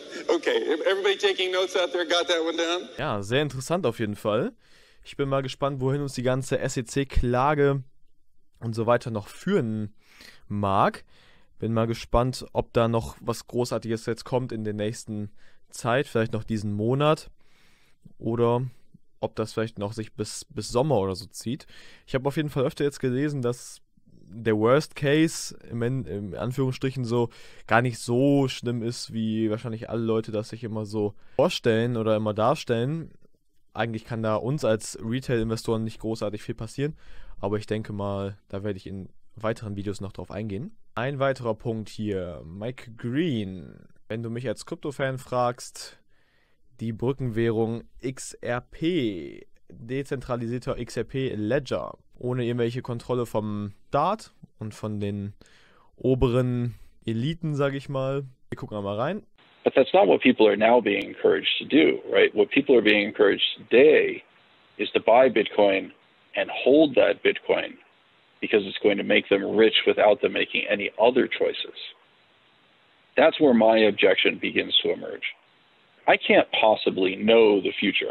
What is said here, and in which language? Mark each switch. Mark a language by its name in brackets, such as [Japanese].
[English] Okay, everybody taking notes out there, got that one down? [German] Ja, sehr interessant auf jeden Fall. Ich bin mal gespannt, wohin uns die ganze SEC-Klage und so weiter noch führen mag. Bin mal gespannt, ob da noch was Großartiges jetzt kommt in der nächsten Zeit, vielleicht noch diesen Monat. Oder ob das vielleicht noch sich bis Sommer oder so zieht. Ich habe auf jeden Fall öfter jetzt gelesen, dass der Worst Case, in Anführungsstrichen, so gar nicht so schlimm ist, wie wahrscheinlich alle Leute das sich immer so vorstellen oder immer darstellen. Eigentlich kann da uns als Retail-Investoren nicht großartig viel passieren, aber ich denke mal, da werde ich in weiteren Videos noch drauf eingehen. Ein weiterer Punkt hier, Mike Green. Wenn du mich als Krypto-Fan fragst, die Brückenwährung XRP, dezentralisierter XRP-Ledger, ohne irgendwelche Kontrolle vom Staat und von den oberen Eliten, sage ich mal. Wir gucken mal rein. [English] But that's not what people are now being encouraged to do, right? What people are being encouraged today is to buy Bitcoin and hold that Bitcoin because it's going to make them rich without them making any other choices. That's where my objection begins to emerge. I can't possibly know the future.